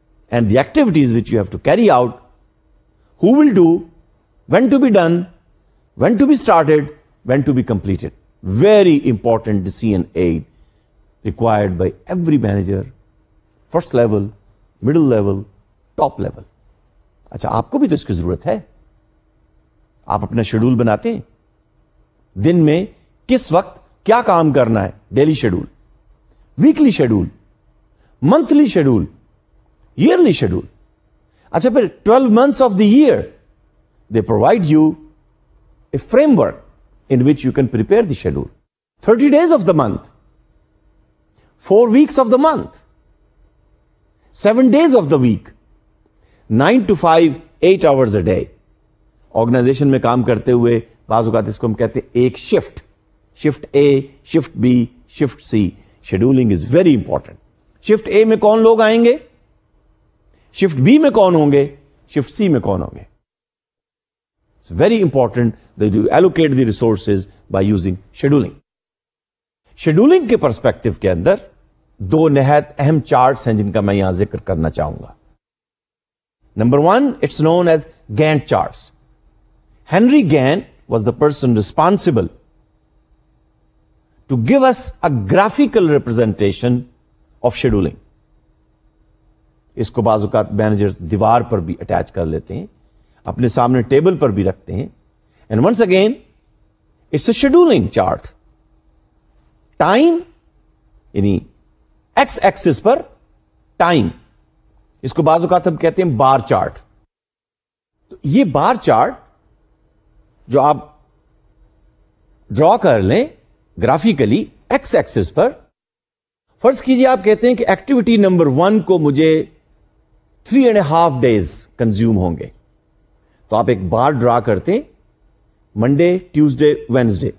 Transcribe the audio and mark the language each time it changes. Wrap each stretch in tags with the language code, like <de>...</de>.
<en>and the activities which you have to carry out, who will do, when to be done, when to be started, when to be completed. Very important decision aid required by every manager, first level, middle level, top level.</en> <ur>اچھا آپ کو بھی تو اس کی ضرورت ہے. آپ اپنا شیڈول بناتے ہیں دن میں کس وقت کیا کام کرنا ہے, daily schedule, weekly schedule, monthly schedule, yearly schedule.</ur> <en>اچھا پھر 12 months of the year they provide you a framework in which you can prepare the schedule. 30 days of the month, 4 weeks of the month, 7 days of the week, 9 to 5, 8 hours a day.</en> <ur>Organization میں کام کرتے ہوئے بعض اوقات اس کو ہم کہتے ہیں ایک shift, shift a, shift be, shift C.</ur> <en>Scheduling is very important.</en> <ur>Shift اے میں کون لوگ آئیں گے, شفٹ بی میں کون ہوں گے, شفٹ سی میں کون ہوں گے.</ur> <en>It's very important that you allocate the resources by using scheduling.</en> <ur>Scheduling کے پرسپیکٹو کے اندر دو نہایت اہم چارٹس ہیں جن کا میں یہاں ذکر کرنا چاہوں گا.</ur> <en>Number one, it's known as Gantt charts. Henry Gantt was the person responsible to give us a graphical representation of scheduling.</en> <ur>اس کو بعض اوقات مینیجرز دیوار پر بھی اٹیچ کر لیتے ہیں, اپنے سامنے ٹیبل پر بھی رکھتے ہیں.</ur> <en>And once again it's a scheduling chart.</en> <ur>Time, یعنی ایکس ایکسس پر ٹائم. اس کو بعض اوقات ہم کہتے ہیں بار چارٹ. تو یہ بار چارٹ جو آپ ڈرا کر لیں گرافیکلی ایکس ایکسس پر, فرض کیجئے آپ کہتے ہیں کہ ایکٹیویٹی نمبر ون کو مجھے 3.5 days کنزیوم ہوں گے, تو آپ ایک بار ڈرا کرتے ہیں منڈے, ٹیوزڈے, وینزڈے.</ur>